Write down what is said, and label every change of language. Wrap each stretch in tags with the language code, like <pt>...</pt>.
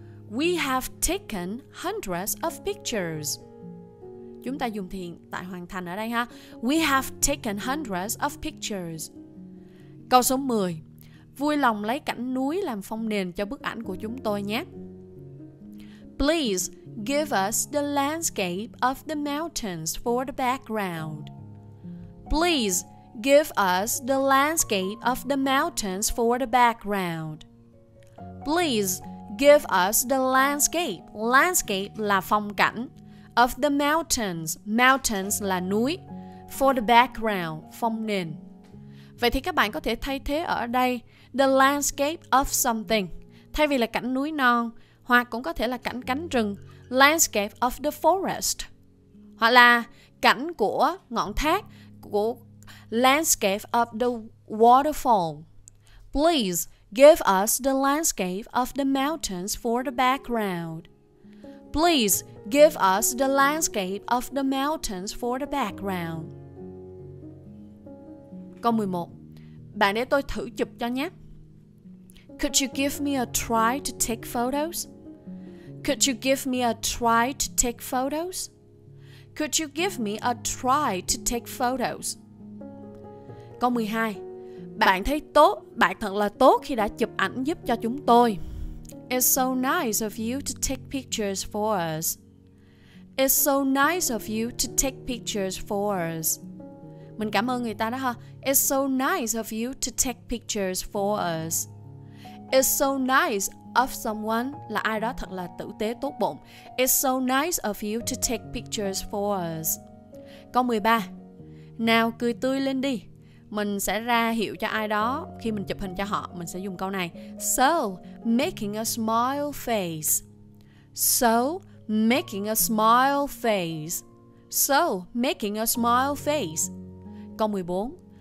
<en>We have taken hundreds of pictures.</en> <vi>Chúng ta dùng hiện tại hoàn thành ở đây ha.</vi> <en>We have taken hundreds of pictures.</en> <vi>Câu số 10. Vui lòng lấy cảnh núi làm phông nền cho bức ảnh của chúng tôi nhé.</vi> <en>Please give us the landscape of the mountains for the background. Please Give us the landscape of the mountains for the background. Please give us the landscape.</en> <vi>Landscape là phong cảnh.</vi> <en>Of the mountains. Mountains</en> <vi>là núi.</vi> <en>For the background.</en> <vi>Phong nền. Vậy thì các bạn có thể thay thế ở đây</vi> <en>the landscape of something.</en> <vi>Thay vì là cảnh núi non, hoặc cũng có thể là cảnh cánh rừng.</vi> <en>Landscape of the forest.</en> <vi>Hoặc là cảnh của ngọn thác, của</vi> <en>landscape of the waterfall. Please give us the landscape of the mountains for the background. Please give us the landscape of the mountains for the background.</en> <vi>Câu 11. Bạn để tôi thử chụp cho nhé.</vi> <en>Could you give me a try to take photos? Could you give me a try to take photos? Could you give me a try to take photos?</en> <vi>Câu 12. Bạn thấy tốt, bạn thật là tốt khi đã chụp ảnh giúp cho chúng tôi.</vi> <en>It's so nice of you to take pictures for us. It's so nice of you to take pictures for us.</en> <vi>Mình cảm ơn người ta đó ha.</vi> <en>It's so nice of you to take pictures for us. It's so nice of someone</en> <vi>là ai đó thật là tử tế tốt bụng.</vi> <en>It's so nice of you to take pictures for us.</en> <vi>Câu 13. Nào cười tươi lên đi. Mình sẽ ra hiệu cho ai đó khi mình chụp hình cho họ, mình sẽ dùng câu này.</vi> <en>So, making a smile face. So, making a smile face. So, making a smile face.</en> <vi>Câu 14.</vi>